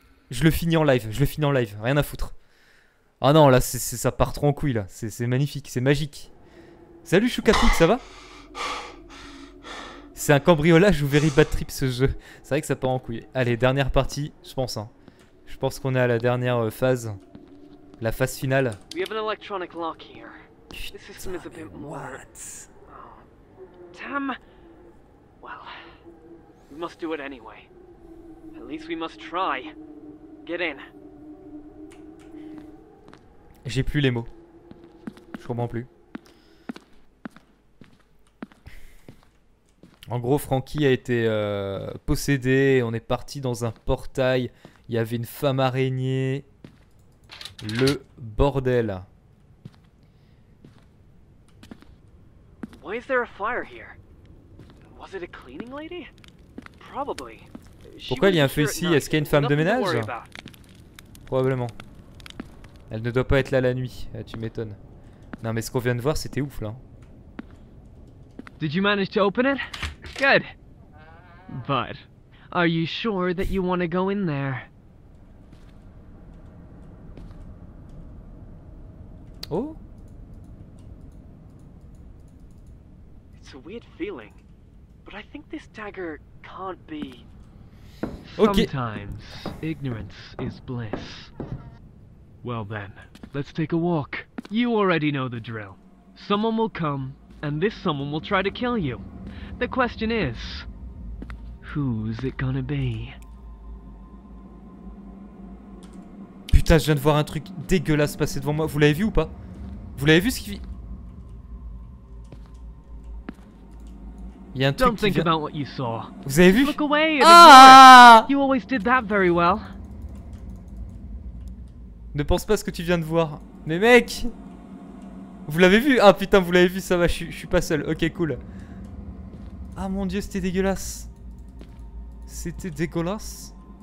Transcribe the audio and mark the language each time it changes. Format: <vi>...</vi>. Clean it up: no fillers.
<fr>Je le finis en live, rien à foutre. Ah non, là, c'est, ça part trop en couille, là. C'est magnifique, c'est magique. Salut, Choukatouk, ça va? C'est un cambriolage ou very bad trip, ce jeu. C'est vrai que ça part en couille. Allez, dernière partie, je pense. Hein. Je pense qu'on est à la dernière phase. La phase finale.</fr> <en>We have an electronic lock here. The system is a bit more. What? Tam. Well, we must do it anyway. At least we must try. Get in.</en> <fr>J'ai plus les mots. Je comprends plus. En gros, Franky a été possédé. On est parti dans un portail. Il y avait une femme araignée. Le bordel.</fr> <en>Why is there a fire here? Was it a cleaning lady? Probably.</en> <fr>Pourquoi il y a un feu ici? Est-ce qu'il y a une femme de ménage? Probablement. Elle ne doit pas être là la nuit, tu m'étonnes. Non mais ce qu'on vient de voir, c'était ouf là.</fr> <en>Did you manage to open it? Good. But are you sure that you want to go in there? Oh. It's a weird feeling, but I think this dagger can't be. Okay. Sometimes ignorance is bliss. Well then, let's take a walk. You already know the drill. Someone will come, and this someone will try to kill you. The question is, who's it gonna be?</en> <fr>Putain, je viens de voir un truc dégueulasse passer devant moi. Vous l'avez vu ou pas? Vous l'avez vu ce qui vit? Il y a un truc.</fr> <en>Don't think about what you saw.</en> <fr>Vous avez vu?</fr> <en>Look away. Ah! You always did that very well.</en> <fr>Ne pense pas à ce que tu viens de voir. Mais mec, vous l'avez vu? Ah putain, vous l'avez vu, ça va, je suis pas seul. Ok, cool. Ah mon dieu, c'était dégueulasse. C'était dégueulasse.</fr>